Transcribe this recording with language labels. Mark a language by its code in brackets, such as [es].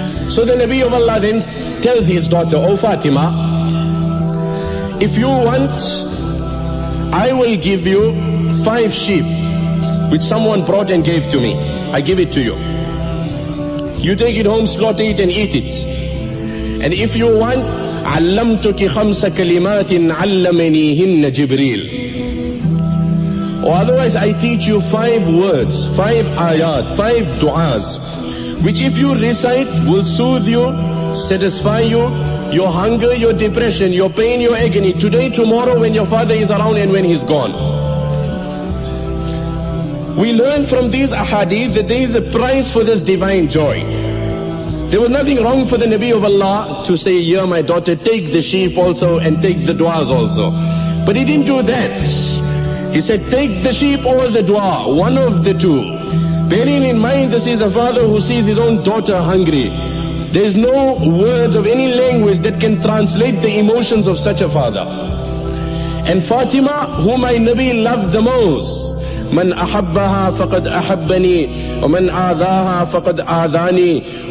[en] So the Nabi of Allah then tells his daughter, O Fatima, if you want, I will give you 5 sheep which someone brought and gave to me. I give it to you. You take it home, slaughter it and eat it. And if you want, [ar] علمتك خمس كلمات علمنيهن جبريل. [en] Or otherwise I teach you 5 words, 5 ayat, 5 du'as, which if you recite will soothe you, satisfy you, your hunger, your depression, your pain, your agony, today, tomorrow, when your father is around and when he's gone. We learn from these ahadith that there is a price for this divine joy. There was nothing wrong for the Nabi of Allah to say, yeah, my daughter, take the sheep also and take the du'as also. But he didn't do that. He said, take the sheep or the dua, one of the two. Bearing in mind, this is a father who sees his own daughter hungry. There's no words of any language that can translate the emotions of such a father. And Fatima, whom my Nabi loved the most, [ar] من أحبها فقد أحبني ومن آذاها فقد آذاني.